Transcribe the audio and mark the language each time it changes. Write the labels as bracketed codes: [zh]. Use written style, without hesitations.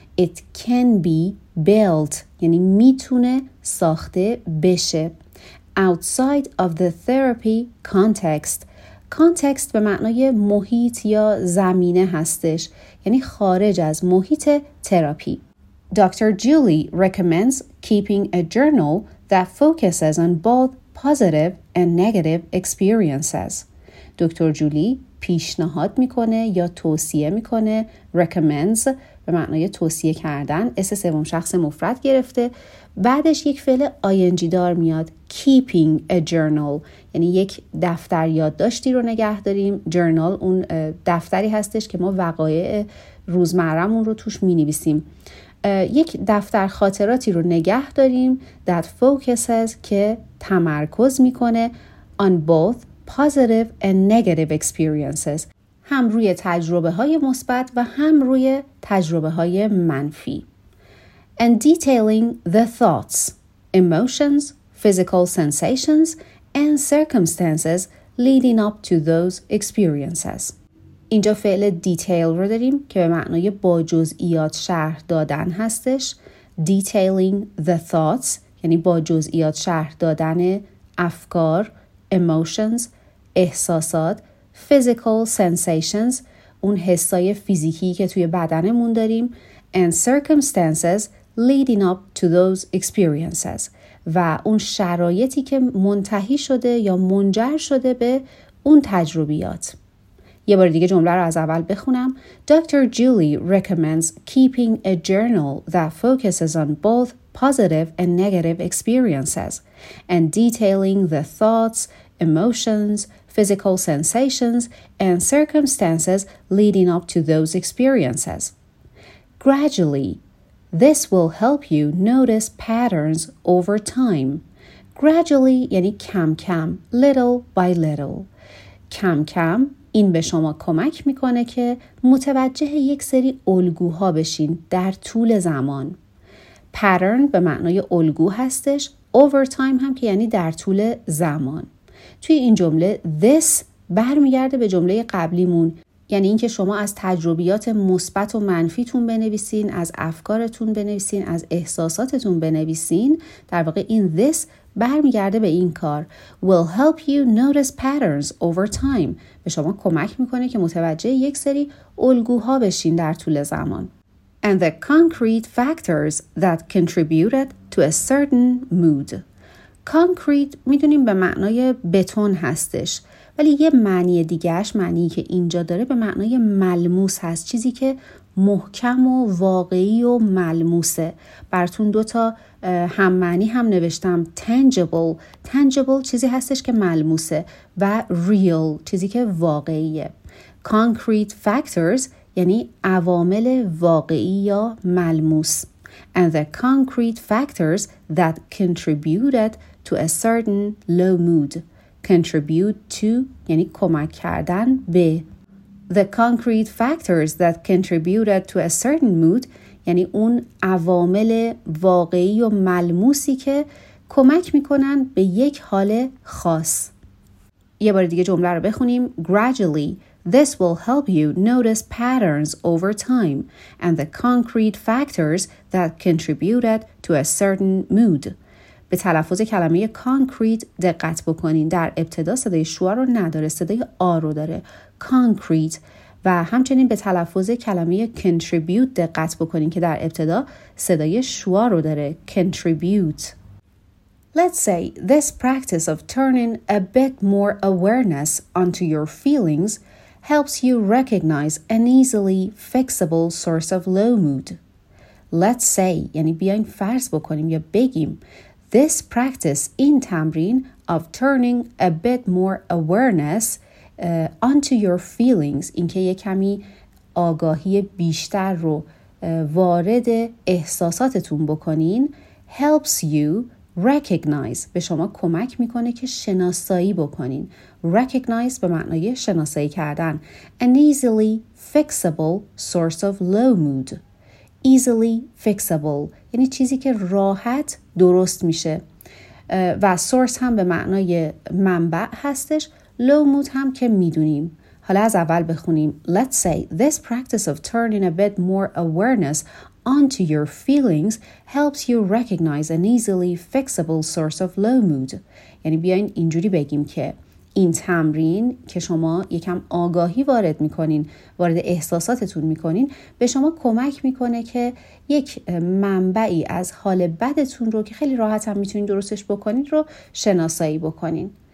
[en] It can be built، [fa] یعنی میتونه ساخته بشه. [en] Outside of the therapy context. [fa] کانتکست به معنای محیط یا زمینه هستش، یعنی خارج از محیط تراپی. [en] Dr. Julie recommends keeping a journal that focuses on both positive and negative experiences. [fa] دکتر جولی پیشنهاد میکنه یا توصیه میکنه. recommends به معنای توصیه کردن، اس سوم شخص مفرد گرفته، بعدش یک فعل ing دار میاد، [en] keeping a journal، [fa] یعنی یک دفتر یادداشتی رو نگه داریم. journal اون دفتری هستش که ما وقایع روزمرمون رو توش مینویسیم. یک دفتر خاطراتی رو نگه داریم، [en] that focuses، [fa] که تمرکز میکنه، [en] on both positive and negative experiences، [fa] هم روی تجربه های مثبت و هم روی تجربه های منفی. [en] And detailing the thoughts, emotions, physical sensations and circumstances leading up to those experiences. [fa] اینجا فعل detail رو داریم که به معنای با جزئیات شرح دادن هستش. [en] Detailing the thoughts [fa] یعنی با جزئیات شرح دادن افکار، emotions، احساسات، physical sensations، اون حسای فیزیکی که توی بدنمون داریم، [en] and circumstances leading up to those experiences، [fa] و اون شرایطی که منتهی شده یا منجر شده به اون تجربیات. یه بار دیگه جمله رو از اول بخونم. [en] Dr. Julie recommends keeping a journal that focuses on both positive and negative experiences and detailing the thoughts, emotions, physical sensations and circumstances leading up to those experiences. Gradually, this will help you notice patterns over time. [fa] Gradually یعنی کم کم، [en] little by little. [fa] کم کم این به شما کمک میکنه که متوجه یک سری الگوها بشین در طول زمان. Pattern به معنای الگو هستش، over time هم که یعنی در طول زمان. توی این جمله this برمیگرده به جمله قبلیمون، یعنی اینکه شما از تجربیات مثبت و منفیتون بنویسین، از افکارتون بنویسین، از احساساتتون بنویسین. در واقع این this برمیگرده به این کار. [en] Will help you notice patterns over time، [fa] به شما کمک میکنه که متوجه یک سری الگوها بشین در طول زمان. [en] And the concrete factors that contributed to a certain mood. [fa] کانکریت میدونیم به معنای بتون هستش، ولی یه معنی دیگهش، معنی که اینجا داره، به معنای ملموس هست، چیزی که محکم و واقعی و ملموسه. براتون دوتا هم معنی هم نوشتم. تنجبل، تنجبل چیزی هستش که ملموسه، و ریل چیزی که واقعیه. کانکریت فاکتورز یعنی عوامل واقعی یا ملموس. [en] And the concrete factors that contributed to a certain low mood. [fa] Contribute to یعنی کمک کردن به. [en] The concrete factors that contributed to a certain mood [fa] یعنی اون عوامل واقعی و ملموسی که کمک میکنن به یک حال خاص. یه بار دیگه جمله رو بخونیم. [en] Gradually, this will help you notice patterns over time and the concrete factors that contributed to a certain mood. [fa] به تلفظ کلمه concrete دقت بکنین. در ابتدا صدای شوا رو نداره، صدای آ رو داره. [en] Concrete. [fa] و همچنین به تلفظ کلمه contribute دقت بکنین که در ابتدا صدای شوا رو داره. [en] Contribute. Let's say this practice of turning a bit more awareness onto your feelings helps you recognize an easily fixable source of low mood. Let's say, [fa] یعنی بیاین فرض بکنیم یا بگیم، [en] this practice, [fa] این تمرین [en] of turning a bit more awareness onto your feelings، [fa] اینکه یک کمی آگاهی بیشتر رو وارد احساساتتون بکنین، [en] helps you recognize، [fa] به شما کمک میکنه که شناسایی بکنین. [en] Recognize [fa] به معنای شناسایی کردن. [en] An easily fixable source of low mood، [fa] easily fixable، یعنی چیزی که راحت درست میشه. و source هم به معنای منبع هستش. low mood هم که میدونیم. حالا از اول بخونیم. [en] Let's say this practice of turning a bit more awareness onto your feelings helps you recognize an easily fixable source of low mood. [fa] یعنی بیاین اینجوری بگیم که این تمرین که شما یکم آگاهی وارد میکنین، وارد احساساتتون میکنین، به شما کمک میکنه که یک منبعی از حال بدتون رو که خیلی راحت هم میتونین درستش بکنین رو شناسایی بکنین.